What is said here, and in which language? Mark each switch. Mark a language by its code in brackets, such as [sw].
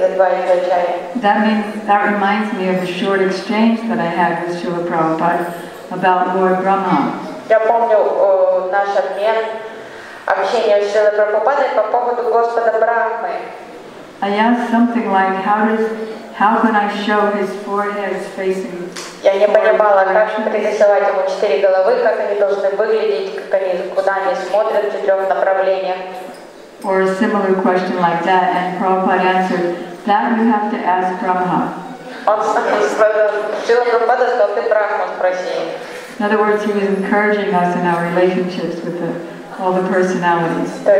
[en] That reminds me of a short exchange that I had with Srila Prabhupada about Lord Brahma. [ru] Я помню наш обмен общения с Шрилой Прабхупадой по поводу Господа Брахмы. [en] I asked something like, how can I show his forehead is facing? [ru] Я не понимала, как нарисовать ему четыре головы, как они должны выглядеть, как они куда они смотрят в четырех направлениях. [en] Or a similar question like that, and Prabhupada answered, that you have to ask Brahma. [ru] Он Шрила Прабхупада сказал, ты Брахму спроси. [en] In other words, he was encouraging us in our relationships with all the personalities.